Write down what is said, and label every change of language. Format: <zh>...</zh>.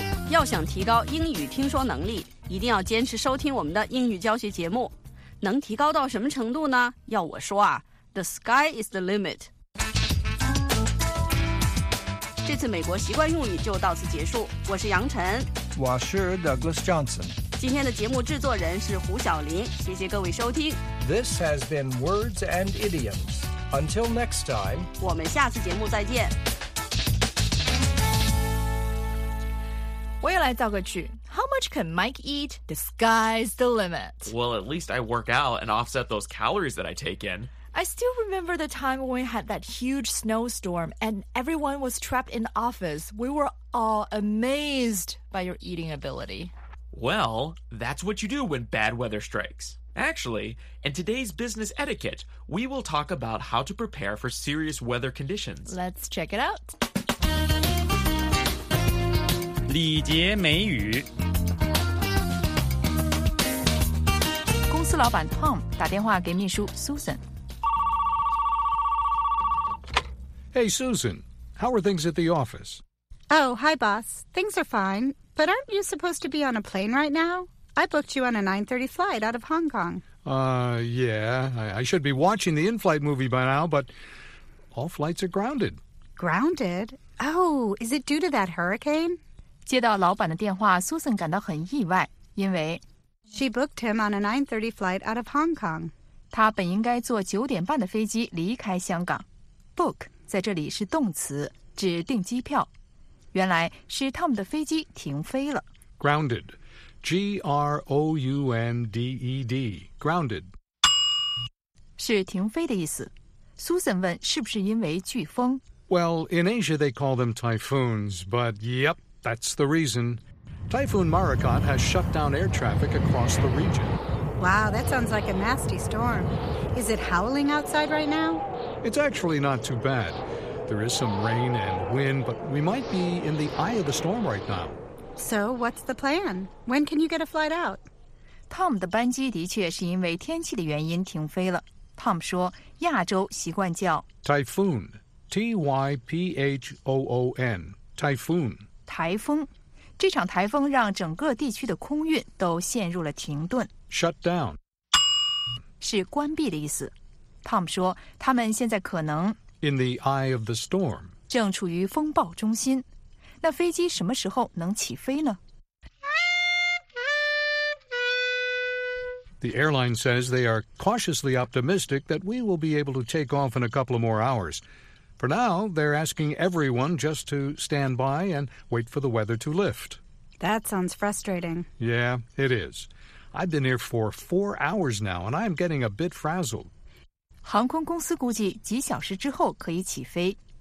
<zh>要想提高英语听说能力，一定要坚持收听我们的英语教学节目。能提高到什么程度呢？要我说啊，</zh> <en>the sky is the limit.</en> <zh>这次美国习惯用语就到此结束，我是杨晨，我是 Douglas Johnson。今天的节目制作人是胡晓琳，谢谢各位收听。</zh> <en>This has been Words and Idioms. Until next time.</en> <zh>我们下次节目再见。我也来造个句。</zh> <en>How much can Mike eat? The sky's the limit. Well, at least I work out and offset those calories that I take in. I still remember the time when we had that huge snowstorm and everyone was trapped in the office. We were all amazed by your eating ability. Well, that's what you do when bad weather strikes. Actually, in today's business etiquette, we will talk about how to prepare for serious weather conditions. Let's check it out.</en> <zh>礼节美语。公司老板 Tom 打电话给秘书 Susan.</zh> <en>Hey, Susan, how are things at the office? Oh, hi, boss. Things are fine. But aren't you supposed to be on a plane right now? I booked you on a 9:30 flight out of Hong Kong. Yeah, I should be watching the in-flight movie by now, but all flights are grounded. Grounded? Oh, is it due to that hurricane?</en> <zh>接到老板的电话 ,Susan 感到很意外,因为</zh> <en>She booked him on a 9:30 flight out of Hong Kong.</en> <zh>他本应该坐九点半的飞机离开香港。Book 在这里是动词,指订机票。原来是 Tom 的飞机停飞了。</zh> <en>Grounded. G-R-O-U-N-D-E-D. Grounded.</en> <zh>是停飞的意思。 Susan 问是不是因为飓风。</zh> <en>Well, in Asia they call them typhoons, but yep, that's the reason. Typhoon Marakot has shut down air traffic across the region. Wow, that sounds like a nasty storm. Is it howling outside right now? It's actually not too bad. There is some rain and wind, but we might be in the eye of the storm right now. So, what's the plan? When can you get a flight out?</en> <zh>Tom 的班机的确是因为天气的原因停飞了。 Tom 说，亚洲习惯叫</zh> <en>Typhoon. T-Y-P-H-O-O-N. Typhoon.</en> <zh>台风。这场台风让整个地区的空运都陷入了停顿。</zh> <en>Shut down.</en> <zh>是关闭的意思。 Tom 说，他们现在可能</zh> <en>In the eye of the storm.</en> <zh>正处于风暴中心。那飞机什么时候能起飞呢？</zh> <en>The airline says they are cautiously optimistic that we will be able to take off in a couple of more hours. For now, they're asking everyone just to stand by and wait for the weather to lift. That sounds frustrating. Yeah, it is. I've been here for 4 hours now, and I'm getting a bit frazzled.</en> <zh>航空公司估计几小时之后可以起飞。</zh>